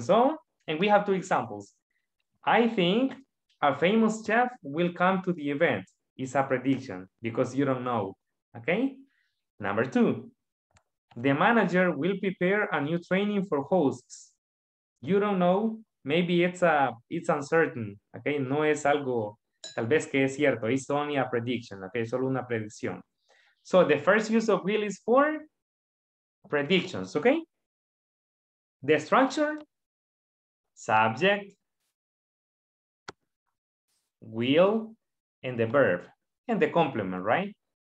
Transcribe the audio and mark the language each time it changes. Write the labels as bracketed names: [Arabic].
[English] So, and we have two examples. I think a famous chef will come to the event. It's a prediction because you don't know, okay? Number two, The manager will prepare a new training for hosts. You don't know, maybe it's uncertain. [Spanish] Okay, no es algo, tal vez que es cierto. [English] It's only a prediction. Okay, [Spanish] solo una predicción. [English] So the first use of will is for predictions. Okay. The structure, subject, will, and the verb, and the complement, right?